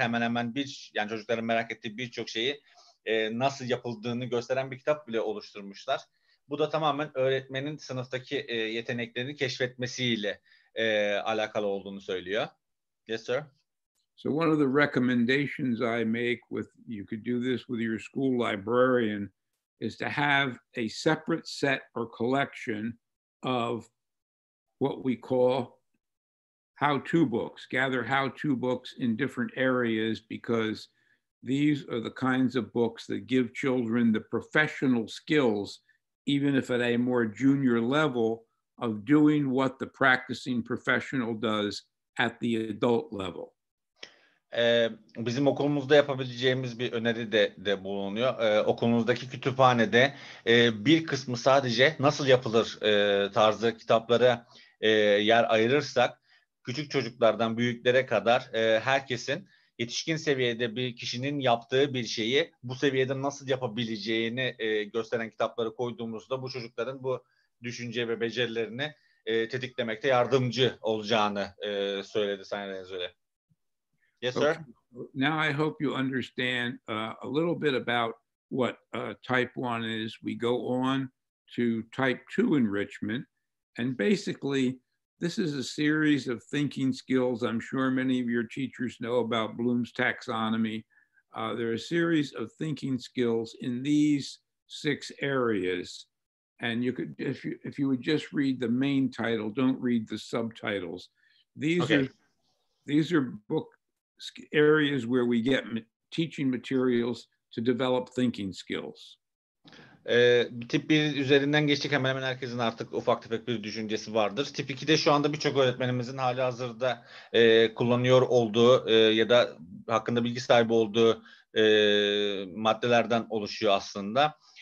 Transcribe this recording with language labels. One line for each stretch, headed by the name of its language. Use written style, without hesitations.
Turkish: Hemen hemen bir yani çocukların merak ettiği birçok şeyi nasıl yapıldığını gösteren bir kitap bile oluşturmuşlar. Bu da tamamen öğretmenin sınıftaki yeteneklerini keşfetmesiyle alakalı olduğunu söylüyor.
English: Yes, sir. So one of the recommendations I make with, you could do this with your school librarian, is to have a separate set or collection of what we call how-to books. Gather how-to books in different areas because these are the kinds of books that give children the professional skills, even if at a more junior level, of doing what the practicing professional does at the adult level.
Turkish: Bizim okulumuzda yapabileceğimiz bir öneri de bulunuyor. Okulumuzdaki kütüphanede bir kısmı sadece nasıl yapılır tarzı kitaplara yer ayırırsak küçük çocuklardan büyüklere kadar herkesin yetişkin seviyede bir kişinin yaptığı bir şeyi bu seviyede nasıl yapabileceğini gösteren kitapları koyduğumuzda bu çocukların bu düşünce ve becerilerini tetiklemekte yardımcı olacağını söyledi sayenizde öyle.
English: Yes, sir. Okay. Now I hope you understand a little bit about what type 1 is. We go on to type 2 enrichment. And basically, this is a series of thinking skills. I'm sure many of your teachers know about Bloom's taxonomy. There are a series of thinking skills in these six areas. And you could, if you would just read the main title, don't read the subtitles. These are book areas where we get teaching materials to develop thinking skills.
Turkish: Tip 1 üzerinden geçtik. Hemen hemen herkesin artık ufak tefek bir düşüncesi vardır. Tip 2'de şu anda birçok öğretmenimizin hali hazırda kullanıyor olduğu ya da hakkında bilgi sahibi olduğu maddelerden oluşuyor aslında.